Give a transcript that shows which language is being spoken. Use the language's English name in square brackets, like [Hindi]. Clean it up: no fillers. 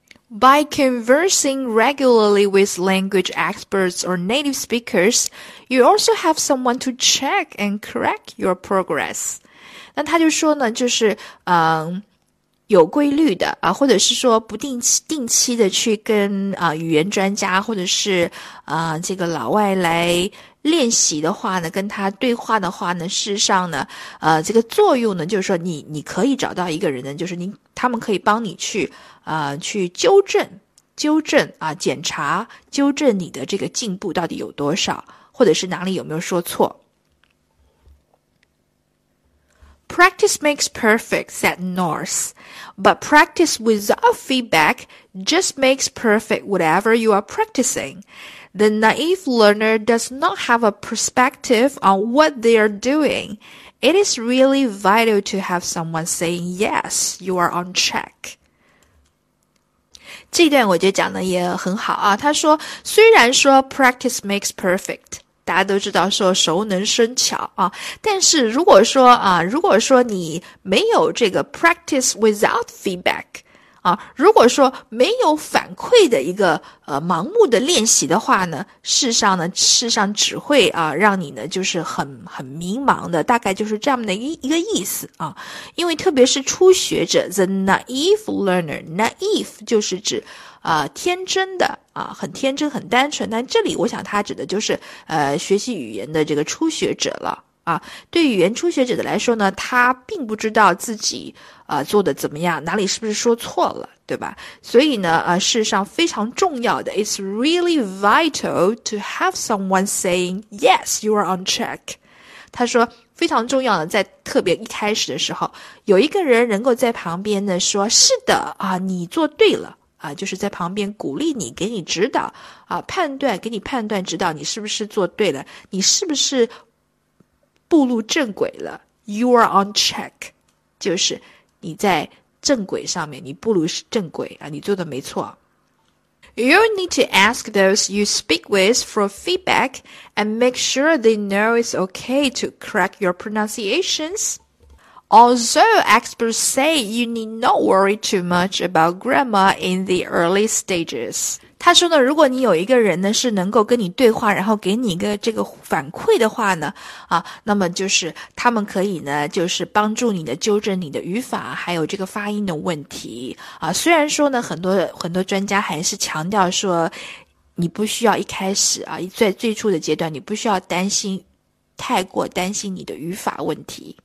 [English] By conversing regularly with language experts or native speakers, you also have someone to check and correct your progress. [Chinese] 那他就说呢，就是有规律的或者是说不定期的去跟语言专家或者是这个老外来练习的话呢，跟他对话的话呢，事实上呢这个作用呢，就是说你可以找到一个人呢，就是他们可以帮你去纠正检查纠正你的这个进步到底有多少，或者是哪里有没有说错。 [English] Practice makes perfect, said North. But practice without feedback just makes perfect whatever you are practicing. The naive learner does not have a perspective on what they are doing. It is really vital to have someone saying, yes, you are on track. [Chinese] 这段我觉得讲的也很好啊。他说，虽然说 [English] practice makes perfect, [Chinese] 大家都知道说熟能生巧但是如果说你没有这个 [English] practice without feedback, [Chinese] 如果说没有反馈的一个盲目的练习的话呢，事实上只会让你呢就是很迷茫的，大概就是这样的一个意思因为特别是初学者 , [English] the naive learner, [Chinese] naive 就是指天真的很天真很单纯，但这里我想他指的就是学习语言的这个初学者了对语言初学者的来说呢，他并不知道自己做的怎么样，哪里是不是说错了，对吧？所以呢事实上非常重要的 [English] It's really vital to have someone saying Yes, you are on track. [Chinese] 他说非常重要的，在特别一开始的时候有一个人能够在旁边呢说是的你做对了就是在旁边鼓励你，给你指导判断，给你判断指导你是不是做对了，你是不是步入正轨了。 [English] You are on track, [Chinese] 就是你在正轨上面，你步入正轨你做的没错。 [English] You need to ask those you speak with for feedback and make sure they know it's okay to correct your pronunciationsAlthough experts say you need not worry too much about grammar in the early stages. [Chinese] 他说呢，如果你有一个人呢是能够跟你对话，然后给你一个这个反馈的话呢那么就是他们可以呢就是帮助你的纠正你的语法还有这个发音的问题虽然说呢很多专家还是强调说你不需要一开始在最初的阶段你不需要太过担心你的语法问题。